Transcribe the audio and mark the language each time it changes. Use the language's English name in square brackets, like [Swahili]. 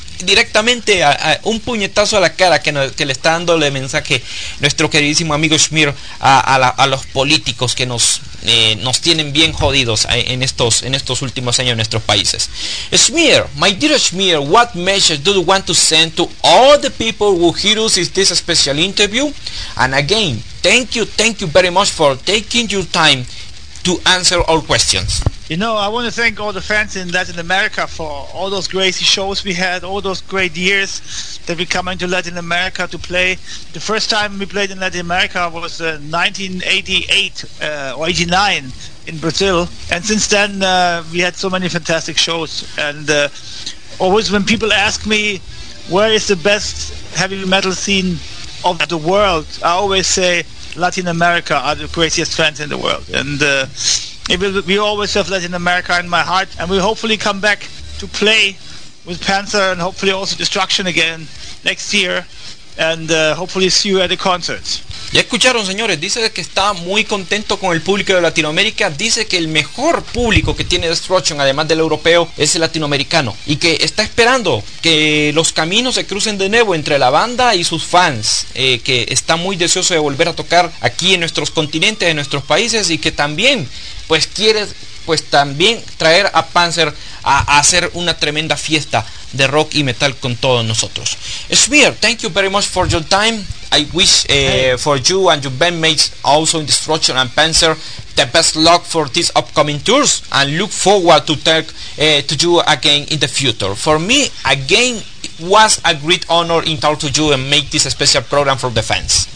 [Spanish] Directamente a un puñetazo a la cara que le está dando el mensaje nuestro queridísimo amigo Smear a los políticos que nos tienen bien jodidos en estos últimos años en nuestros países. [English] Smear, my dear Smear, what message do you want to send to all the people who hear us in this special interview? And again, thank you very much for taking your time to answer all questions. You know, I want to thank all the fans in Latin America for all those crazy shows we had, all those great years that we come into Latin America to play. The first time we played in Latin America was 1988 or 89 in Brazil. And since then, we had so many fantastic shows. And always when people ask me, where is the best heavy metal scene of the world? I always say, Latin America are the craziest fans in the world. And we always have Latin America in my heart, and we'll hopefully come back to play with Panzer and hopefully also Destruction again next year, and hopefully see you at the concerts. [Spanish] Ya escucharon, señores, dice que está muy contento con el público de Latinoamérica, dice que el mejor público que tiene Destruction, además del europeo, es el latinoamericano, y que está esperando que los caminos se crucen de nuevo entre la banda y sus fans, que está muy deseoso de volver a tocar aquí en nuestros continentes, en nuestros países, y que también, pues quiere, pues también traer a Panzer a hacer una tremenda fiesta de rock y metal con todos nosotros. [English] Smear, thank you very much for your time. I wish for you and your bandmates also in Destruction and Panzer the best luck for these upcoming tours, and look forward to talk to you again in the future. For me, again, it was a great honor in talk to you and make this a special program for the fans.